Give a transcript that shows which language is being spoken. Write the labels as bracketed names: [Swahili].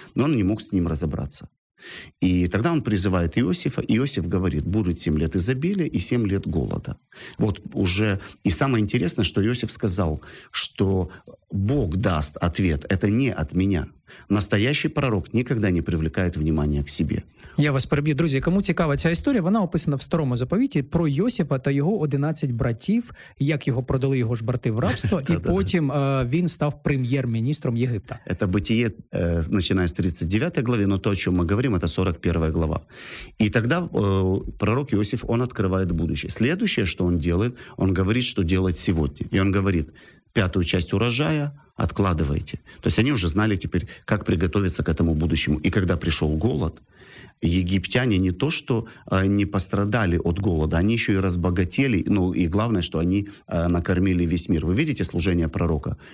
[Russian] Но он не мог с ним разобраться. И тогда он призывает Иосифа. Иосиф говорит, будет 7 лет изобилия и 7 лет голода. Вот уже... И самое интересное, что Иосиф сказал, что Бог даст ответ. Это не от меня. Настоящий пророк никогда не привлекает внимания к себе. [Ukrainian] Я вас переб'ю. Друзі, кому цікава ця історія, вона описана в старому заповіті про Йосіфа та його 11 братів, як його продали його ж брати в рабство, і потім він став прем'єр-міністром Єгипта. Це Буття, починає з 39 глави, але те, що ми говоримо, це 41 глава. І тоді пророк Йосіф, він відкриває будущее. Следующее, що він робить, він говорить, що робить сьогодні. [Russian] І він говорить, пятую часть урожая откладывайте. То есть они уже знали теперь, как приготовиться к этому будущему. И когда пришел голод, египтяне не то, что не пострадали от голода, они еще и разбогатели. Ну и главное, что они накормили весь мир. Вы видите служение пророка?